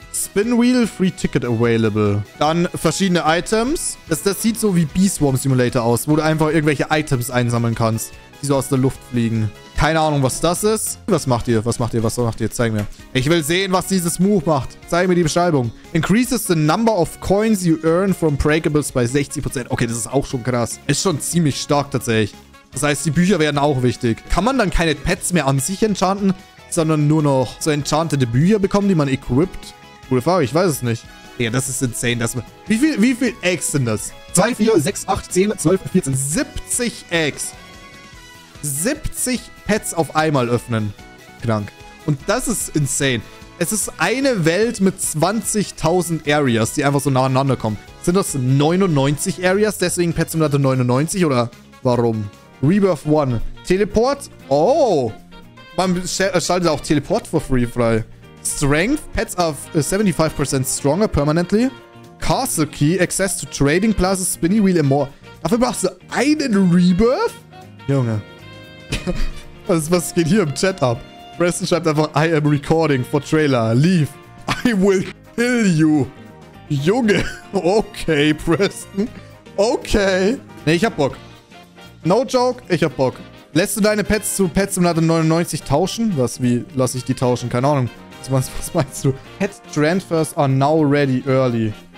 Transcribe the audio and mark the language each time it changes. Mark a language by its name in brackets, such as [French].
[English] Spin Wheel, free ticket available. [German] Dann verschiedene Items. Das sieht so wie Beeswarm Simulator aus, wo du einfach irgendwelche Items einsammeln kannst, die so aus der Luft fliegen. Keine Ahnung, was das ist. Was macht ihr? Was macht ihr? Was macht ihr? Zeig mir. Ich will sehen, was dieses Move macht. Zeig mir die Beschreibung. [English] Increases the number of coins you earn from breakables by 60%. [German] Okay, das ist auch schon krass. Ist schon ziemlich stark tatsächlich. Das heißt, die Bücher werden auch wichtig. Kann man dann keine Pets mehr an sich enchanten, sondern nur noch so enchantete Bücher bekommen, die man equipped? Coole Frage, ich weiß es nicht. Ja, das ist insane. Wie viel Eggs sind das? 2, 4, 6, 8, 10, 12, 14. 70 Eggs. 70 Pets auf einmal öffnen. Krank. Und das ist insane. Es ist eine Welt mit 20.000 Areas, die einfach so nacheinander kommen. Sind das 99 Areas? Deswegen Pets 199 oder warum? Rebirth 1. Teleport? Oh. Man schaltet auch Teleport for free frei. [English] Strength, Pets are 75% stronger permanently. Castle Key, Access to Trading Plaza, Spinny Wheel and more. [German] Dafür brauchst du einen Rebirth? Junge. Was geht hier im Chat ab? Preston schreibt einfach, [English] I am recording for trailer. Leave. I will kill you. [German] Junge. Okay, Preston. Okay. Nee, ich hab Bock. [English] No joke, [German] ich hab Bock. Lässt du deine Pets zu Pets 199 tauschen? Was, wie lasse ich die tauschen? Keine Ahnung. Was meinst du? [English] Pet Transfers are now ready early.